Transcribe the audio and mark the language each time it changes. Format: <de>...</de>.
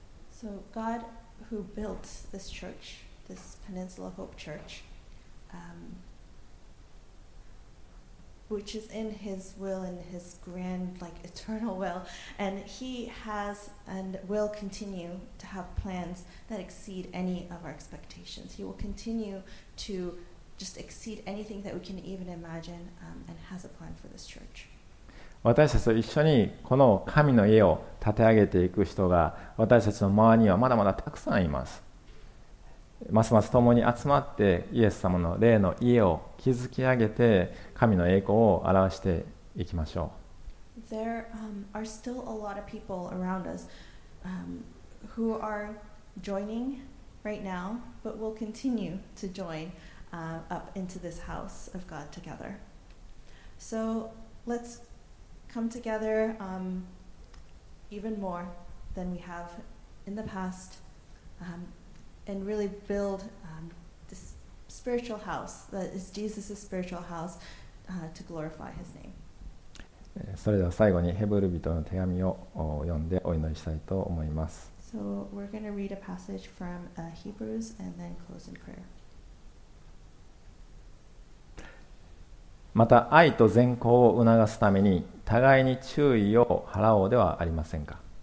<en>So God who built this church. This Peninsula Hope Church, which is in His will and His grand, like eternal will, and He has and will continue to have plans that exceed any of our expectations. He will continue to just exceed anything that we can even imagine, and has a plan for this church.</en> <ja>私たちと一緒にこの神の家を建て上げていく人が私たちの周りにはまだまだたくさんいます。ますます共に集まってイエス様の霊の家を築き上げて神の栄光を表していきましょう。</ja> <en>There are still a lot of people around us who are joining right now, but will continue to join up into this house of God together. So let's come together even more than we have in the past and really build this spiritual house that is Jesus' spiritual house to glorify His name.</en> <ja>それでは最後にヘブル人の手紙を読んでお祈りしたいと思います。</ja> <en>So we're going to read a passage from Hebrews and then close in prayer.</en> <ja>また愛と善行を促すために互いに注意を払おうではありませんか。</ja>